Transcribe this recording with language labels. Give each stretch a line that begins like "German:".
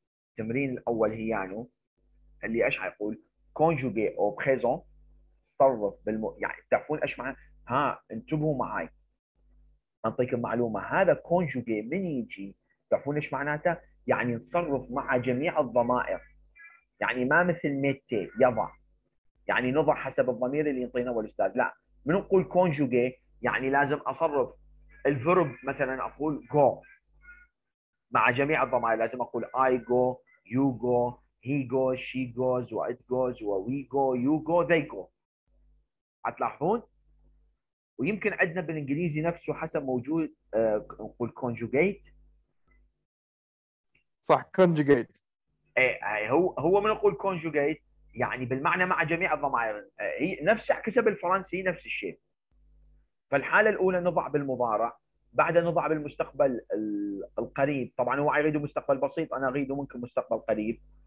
Arabic: التمرين الأول هي يعني اللي أشعر يقول
French: conjugué au présent،
Arabic: صرف يعني تعرفون ايش معنى؟ ها انتبهوا معي، اعطيكم معلومه. هذا conjugué من يجي تعرفون ايش معناته؟ يعني نصرف مع جميع الضمائر، يعني ما مثل متي يضع، يعني نضع حسب الضمير اللي يعطينا الاستاذ. لا، من نقول conjugué يعني لازم اصرف الفيرب، مثلا اقول go مع جميع الضمائر، لازم اقول
English: I go, you go, he goes, she goes, what goes, what we go, you go, they go.
Arabic: هتلاحظون؟ ويمكن عندنا بالانجليزي نفسه حسب موجود نقول conjugate. صح conjugate. ايه هو من نقول conjugate يعني بالمعنى مع جميع الضمائر. هي نفس حسب الفرنسي نفس الشيء. فالحالة الأولى نضع بالمضارع، بعدها نضع بالمستقبل القريب، طبعا هو يريد مستقبل بسيط، أنا أريد ممكن مستقبل قريب.